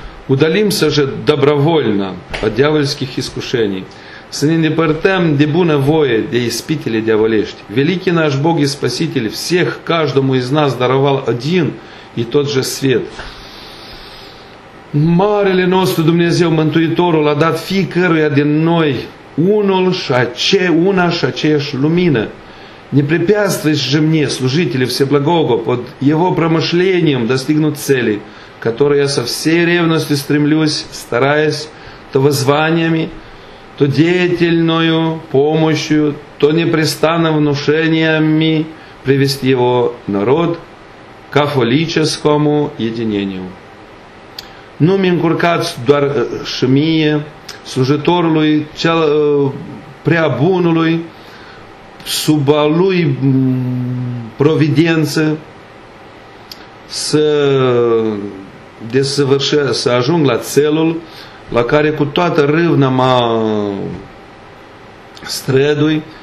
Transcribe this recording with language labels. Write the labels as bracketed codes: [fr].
[ru] Удалимся же добровольно от дьявольских искушений. [ro] Să ne îndepărtăm de bună voie de ispitele diavolești. [ru] Великий наш Бог и Спаситель всех каждому из нас даровал один и тот же свет. [ro] Marele nostru Dumnezeu Mântuitorul a dat fiecăruia din noi una și aceeași lumină. [ru] Не препятствуйте же мне, служители Всеблагого, под его промышлением достигнуть цели, которой я со всей ревностью стремлюсь, стараясь то воззваниями, то деятельною помощью, то непрестанно внушениями привести его народ к католическому единению. [ro] Nu mi încurcați doar și mie, slujitorului cel prea bunului, sub a lui providență să ajung la țelul la care cu toată râvna mă strădui,